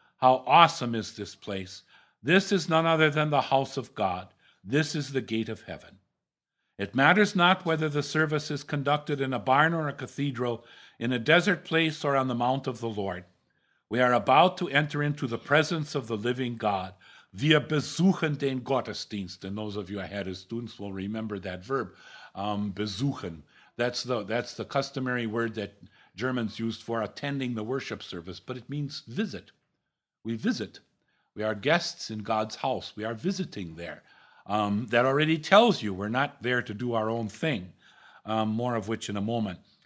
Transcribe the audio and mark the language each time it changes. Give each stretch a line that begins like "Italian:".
English: How awesome is this place! This is none other than the house of God. This is the gate of heaven." It matters not whether the service is conducted in a barn or a cathedral, in a desert place or on the mount of the Lord. We are about to enter into the presence of the living God.
German: Wir besuchen den Gottesdienst.
English: And those of you ahead as students will remember that verb, besuchen. That's the customary word that Germans used for attending the worship service, but it means visit. We visit. We are guests in God's house. We are visiting there. That already tells you we're not there to do our own thing, more of which in a moment.